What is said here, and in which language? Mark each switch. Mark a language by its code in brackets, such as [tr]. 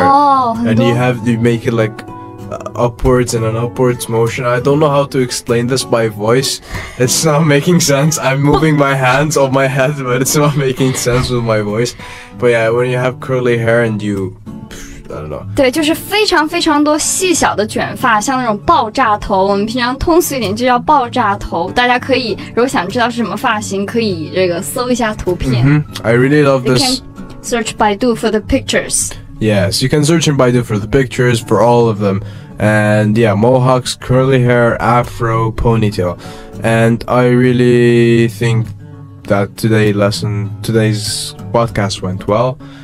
[en] Oh, and you have to make it like upwards in an upwards motion. I don't know how to explain this by voice. It's not making sense. I'm moving my hands on my head, but it's not making sense with my voice. But yeah, when you have curly hair and you, I don't know. [zh] 对，就是非常非常多细小的卷发，像那种爆炸头。我们平常通俗一点就叫爆炸头。大家可以如果想知道是什么发型，可以这个搜一下图片。 [en] Mm-hmm. I really love this. You can search Baidu for the pictures. Yes, you can search in Baidu for the pictures for all of them. And yeah, mohawks, curly hair, afro, ponytail. And I really think that today's podcast went well.